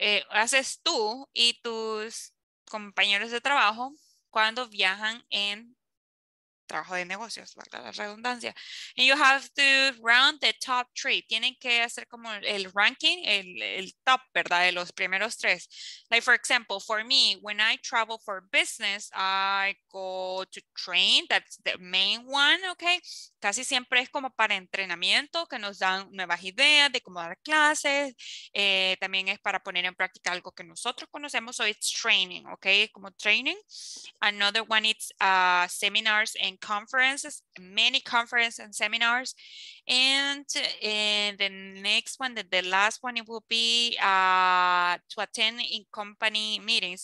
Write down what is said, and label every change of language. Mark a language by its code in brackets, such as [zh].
[es] ¿Haces tú y tus compañeros de trabajo cuando viajan en trabajo de negocios, valga la redundancia? [en] And you have to round the top three. [es] Tienen que hacer como el ranking, el top, ¿verdad? De los primeros tres. [en] Like, for example, for me, when I travel for business, I go to train. That's the main one, okay? [es] Casi siempre es como para entrenamiento, que nos dan nuevas ideas de cómo dar clases. También es para poner en práctica algo que nosotros conocemos. [en] So it's training, okay? Como training. Another one, it's seminars and conferences, many conferences and seminars. And the next one, the last one, it will be to attend in company meetings.